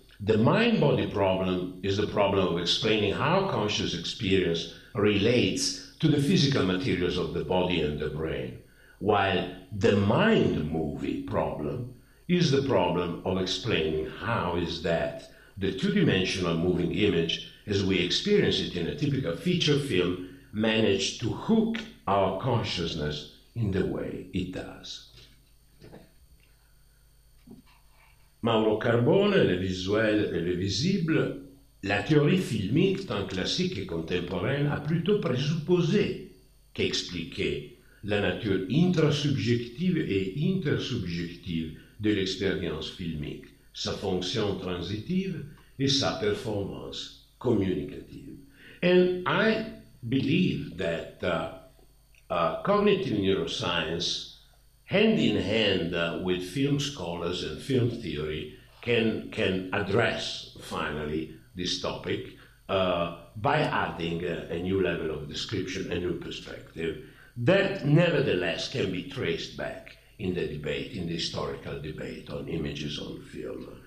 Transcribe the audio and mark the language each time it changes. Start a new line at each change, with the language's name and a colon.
English: The mind-body problem is the problem of explaining how conscious experience relates to the physical materials of the body and the brain, while the mind movie problem is the problem of explaining how is that the two-dimensional moving image, as we experience it in a typical feature film, managed to hook our consciousness in the way it does.
French: Mauro Carbone, Le visuel et le visible, la théorie filmique, tant classique et contemporaine, a plutôt présupposé qu'expliqué la nature intrasubjective et intersubjective de l'expérience filmique, sa fonction transitive et sa performance communicative.
English: And I believe that cognitive neuroscience, hand in hand with film scholars and film theory, can address finally this topic by adding a new level of description, a new perspective, that nevertheless can be traced back in the debate, in the historical debate on images on film.